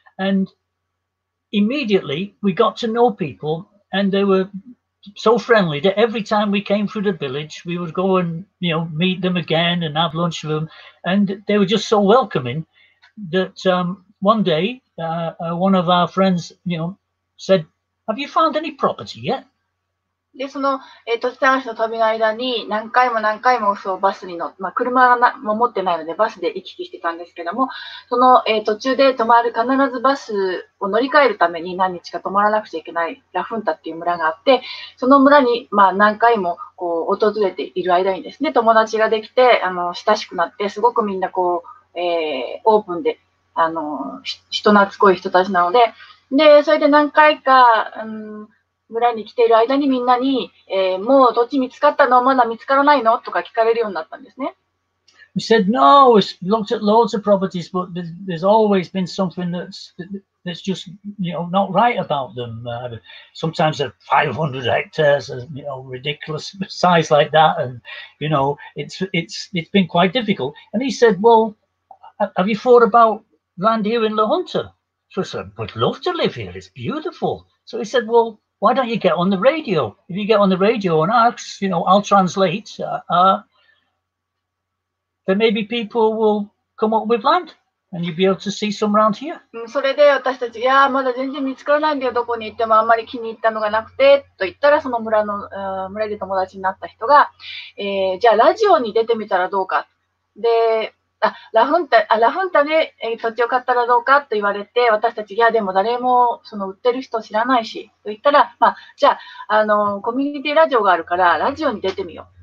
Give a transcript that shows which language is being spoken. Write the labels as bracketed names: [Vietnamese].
[English] And immediately we got to know people, and they were so friendly that every time we came through the village, we would go and, you know, meet them again and have lunch with them. And they were just so welcoming that one day one of our friends, you know, said, Have you found any property yet? [Japanese] で、その、北谷市の旅の間に何回も何回もそうバスに乗って、まあ、車も持ってないのでバスで行き来してたんですけども、その、途中で泊まる必ずバスを乗り換えるために何日か泊まらなくちゃいけないラフンタっていう村があって、その村に、まあ、何回もこう訪れている間にですね、友達ができて、親しくなって、すごくみんなこう、オープンで、人懐っこい人たちなので、で、それで何回か、村に来ている間にみんなに、もう土地見つかったの？まだ見つからないの？とか聞かれるようになったんですね。 [English] We said, no, we've looked at loads of properties, but there's always been something that's just, you know, not right about them. Sometimes they're 500 hectares, you know, ridiculous size like that, and, you know, it's been quite difficult. And he said, well, have you thought about land here in La Junta? So I said, we'd love to live here. It's beautiful. So he said, well, why don't you get on the radio? If you get on the radio and ask, you know, I'll translate, then maybe people will come up with land and you'll be able to see some around here. [Japanese] それで私たち、いや、まだ全然見つからないんだよ。どこに行ってもあんまり気に入ったのがなくて、と言ったら、その村の、村で友達になった人が、じゃあラジオに出てみたらどうか。で、ラフンタで、土地を買ったらどうかと言われて、私たち、いや、でも誰もその売ってる人知らないし、と言ったら、まあ、じゃあ、コミュニティラジオがあるから、ラジオに出てみよう。